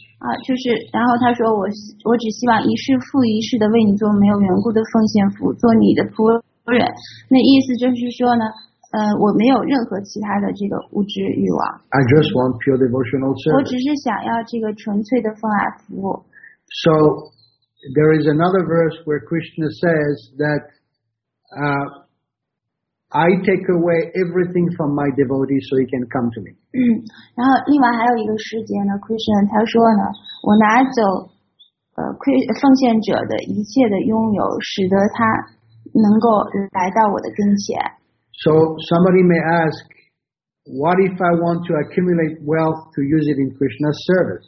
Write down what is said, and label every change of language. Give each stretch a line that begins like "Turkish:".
Chinese: 啊，就是，然后他说我只希望一世复一世的为你做没有缘故的奉献服务，做你的仆人。那意思就是说呢，我没有任何其他的这个物质欲望。
English: I just want pure devotional service.
Chinese: 我只是想要这个纯粹的奉爱服务。
English: So there is another verse where Krishna says that, I take away everything from my devotee so he can come to me.
Chinese: 然后另外还有一个时间呢 ，Krishna 他说呢，我拿走奉献者的一切的拥有，使得他能够来到我的跟前。
English: So somebody may ask, what if I want to accumulate wealth to use it in Krishna's service?